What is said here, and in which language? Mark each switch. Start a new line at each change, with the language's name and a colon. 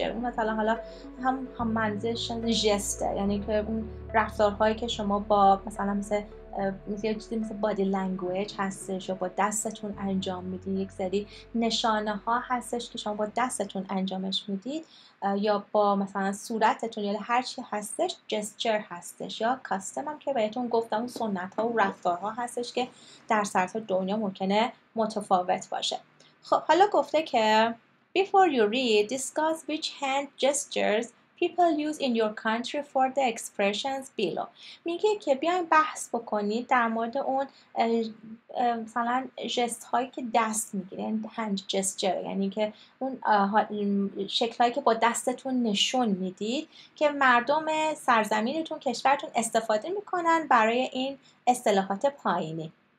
Persian: اون مثلا حالا هم منظورش جسته، یعنی که اون رفتارهایی که شما با مثلا یه چیزی مثل body language هستش یا با دستتون انجام میدید، یک سری نشانه ها هستش که شما با دستتون انجامش میدید یا با مثلا صورتتون یا هرچی هستش gesture هستش. یا custom هم که بهتون گفتم سنت ها و رفتار ها هستش که در سرتاسر دنیا ممکنه متفاوت باشه. خب حالا گفته که
English: before you read discuss which hand gestures people use in your country for the expressions below.
Persian: میگه که بیاین بحث بکنید در مورد اون مثلا ژست هایی که دست میگیرن، hand gesture، یعنی که اون شکل هایی که با دستتون نشون میدید که مردم سرزمینتون کشورتون استفاده میکنن برای این اصطلاحات پایینی.